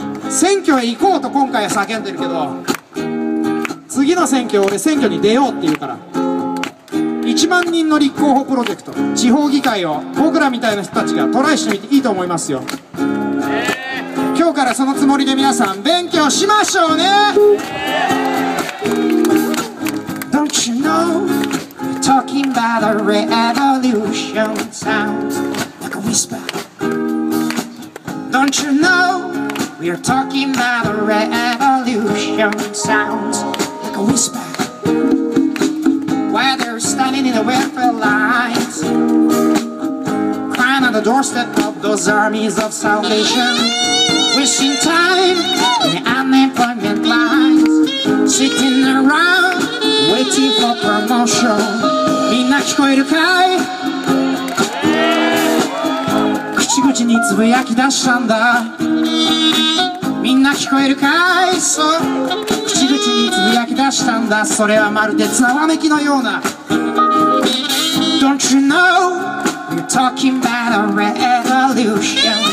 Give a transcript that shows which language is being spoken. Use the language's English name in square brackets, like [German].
[Japanese] 選挙へ行こうと今回は叫んでるけど、次の選挙俺選挙に出ようって言うから。 1万人の立候補プロジェクト、地方議会を僕らみたいな人たちがトライしてみていいと思いますよ。今日からそのつもりで皆さん勉強しましょうね。 [English] Don't you know, talking about a revolution sounds like a whisper. Don't you know, we're talking about a revolution sounds like a whisper. While they're standing in the welfare lines, crying on the doorstep of those armies of salvation, wishing time in the unemployment lines, sitting around. Waiting for promotion. [Japanese] みんな聞こえるかい？口々につぶやき出したんだ。みんな聞こえるかい？そう。口々につぶやき出したんだ。それはまるでざわめきのような。 [English] Don't you know? We're talking about a revolution.